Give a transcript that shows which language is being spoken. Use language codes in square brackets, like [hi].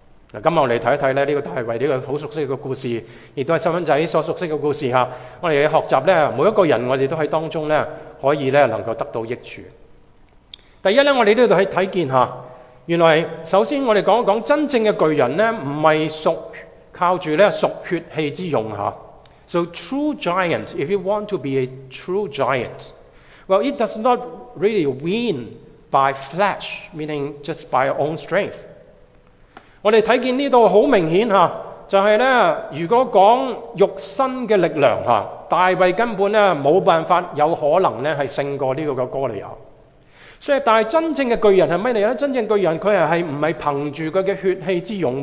[zh] 今天我们看一看这个大卫这个很熟悉的故事，也是身份仔所熟悉的故事，我们学习每一个人我们都在当中可以能够得到益处。第一，我们都要看见原来，首先我们讲一讲真正的巨人呢，不是属靠着呢属血气之勇。 [en] So true giant, if you want to be a true giant, well, it does not really win by flesh, meaning just by your own strength. [zh] 我们看见这里很明显，就是呢如果讲肉身的力量，大卫根本呢没办法有可能呢是胜过这个哥利亚。所以，但是真正的巨人是什么呢？真正的巨人他是不是凭着他的血气之勇？